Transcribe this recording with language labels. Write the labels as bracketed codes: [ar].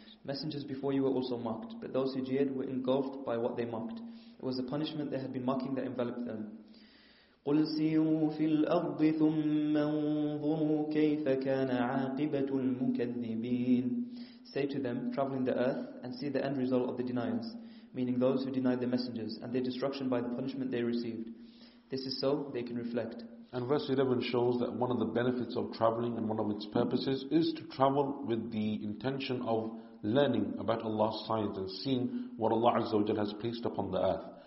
[en] Messengers before you were also mocked, but those who jeered were engulfed by what they mocked. It was the punishment they had been mocking that enveloped them. [ar] قل سيروا في الأرض ثم انظروا كيف كان عاقبة المكذبين. [en] Say to them, travel in the earth and see the end result of the deniers. Meaning those who denied the messengers and their destruction by the punishment they received. This is so they can reflect. And verse 11 shows that one of the benefits of traveling and one of its purposes is to travel with the intention of learning about Allah's science and seeing what Allah Azza wa Jalla has placed upon the earth.